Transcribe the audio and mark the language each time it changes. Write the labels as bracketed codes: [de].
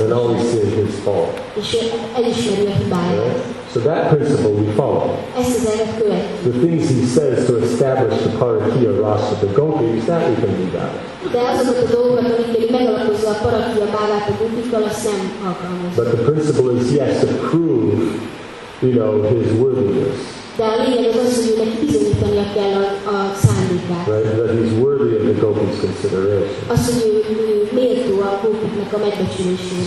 [en] And always sees his fault. [hu] És elismeri a hibáját. [en] So that principle we follow. [hu] Ezt az elvet követ. [en] The things he says to establish the parakia rasa, the gopis, that we can do that. [hu] De azokat a dolgokat, amikkel megalapozza a parakia bávát a gopikkal, azt nem alkalmaz. [en] But the principle is, yes, to prove, his worthiness. [hu] De a lényeg az az, hogy őnek bizonyítania kell a szándékát. [en] Right, that he's worthy of the gopis consideration. [hu] Az, hogy ő méltó a gopiknak a megbecsülésére.